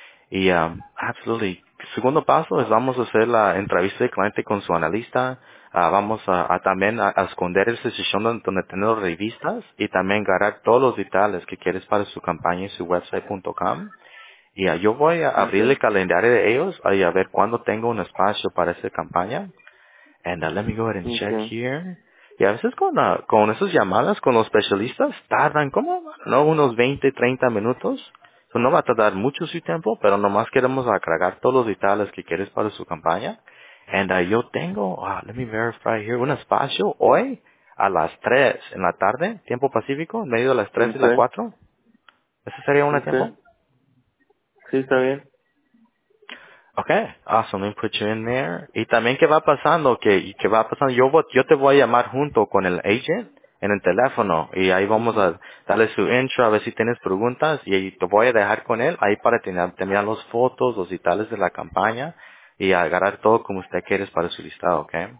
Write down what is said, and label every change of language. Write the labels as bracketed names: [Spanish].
[Spanish] Y, [English] absolutely. [Spanish] Segundo paso es vamos a hacer la entrevista de cliente con su analista. Vamos a también a esconder esa sesión donde tener revistas y también agarrar todos los detalles que quieres para su campaña y su website.com. Y yo voy a abrir el calendario de ellos y a ver cuándo tengo un espacio para esa campaña. [English] And let me go ahead and check here. [Spanish] Y a veces con esas llamadas con los especialistas tardan como, ¿no? Unos 20, 30 minutos. So no va a tardar mucho su tiempo, pero nomás queremos aclarar todos los detalles que quieres para su campaña. And yo tengo, [English] let me verify here, [Spanish] un espacio hoy a las 3 en la tarde, tiempo pacífico, en medio de las 3 y las 4. ¿Ese sería un tiempo? Sí, está bien. [English] Okay, awesome, let me put you in there. [Spanish] Y también, ¿qué va pasando? ¿Qué va pasando? Yo te voy a llamar junto con el agent en el teléfono, y ahí vamos a darle su intro, a ver si tienes preguntas, y te voy a dejar con él, ahí para tener las fotos, los detalles de la campaña, y agarrar todo como usted quieres para su listado, ¿ok?